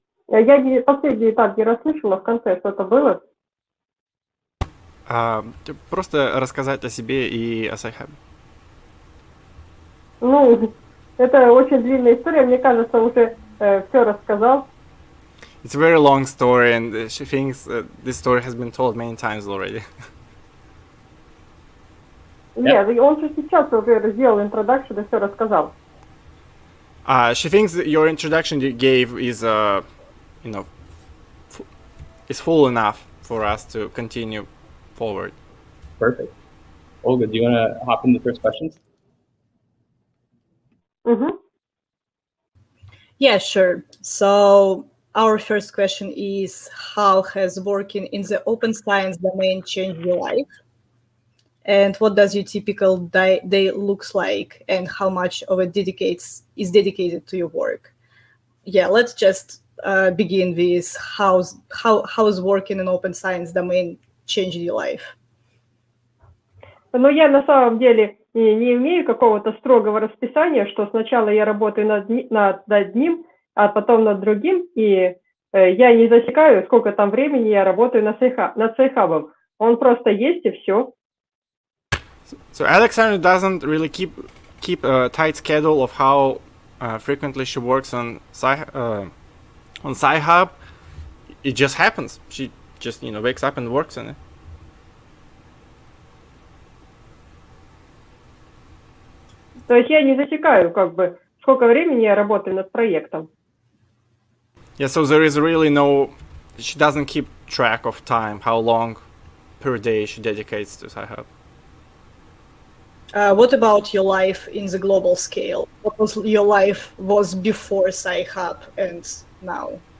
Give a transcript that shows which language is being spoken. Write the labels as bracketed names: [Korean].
[Russian] Я не последний этап не расслышала в конце, что это было. Просто рассказать о себе и о Sci-Hub. Ну, это очень длинная история, мне кажется, уже все рассказал. [English] It's a very long story, and she thinks this story has been told many times already. [Russian] Yeah, он же сейчас уже сделал introduction и все рассказал. [English] She thinks that your introduction you gave is, is full enough for us to continue forward. Perfect. Olga, do you want to hop in the first questions? Mm-hmm. Yeah, sure. So our first question is, how has working in the open science domain changed your life? And what does your typical day look like? And how much of it is dedicated to your work? Yeah, let's just begin with how is working in open science domain changed your life? [Russian] Ну, я на самом деле не имею какого-то строгого расписания, что сначала я работаю над одним, а потом над другим, и я не засекаю, сколько там времени я работаю над Sci-Hub'ом. Он просто есть, и все. [English] So Alexandra doesn't really keep a tight schedule of how frequently she works on Sci-Hub. It just happens. She just, wakes up and works on it. [Russian] То есть я не засекаю, как бы, сколько времени я работаю над проектом. [English] Yeah, so there is really no, she doesn't keep track of time, how long per day she dedicates to Sci-Hub. What about your life in the global scale? What was your life was before Sci-Hub and now?